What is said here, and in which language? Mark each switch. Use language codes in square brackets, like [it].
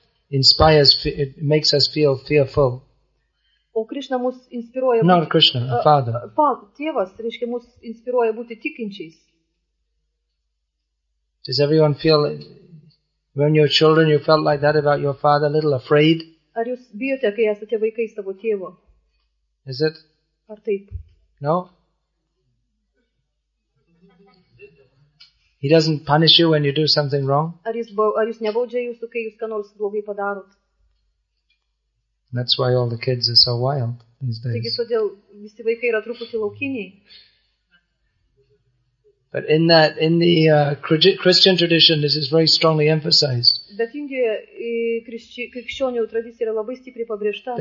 [en] Inspires, it makes us feel fearful. [lt] O Krishna mus inspiruoja [en] būti. Not Krishna, a father. [lt] Tėvas, reiškia, mus inspiruoja būti tikinčiais. [en] Does everyone feel When your children, you felt like that about your father, a little afraid? [lt] Ar jūs bijote, kai esate vaikai savo tėvo? [en] Is it? [lt] Ar taip? [en] No? He doesn't punish you when you do something wrong? [lt] Ar jūs nebaudžia jūsų, kai jūs ką nors blogai padarot? [en] That's why all the kids are so wild these days. [lt] Taigi, todėl visi vaikai yra truputį laukiniai. [en] But in that, in the Christian tradition, this is very strongly emphasized. [lt] Bet Indijoje krikščionių tradicija yra labai stipriai pabrėžta.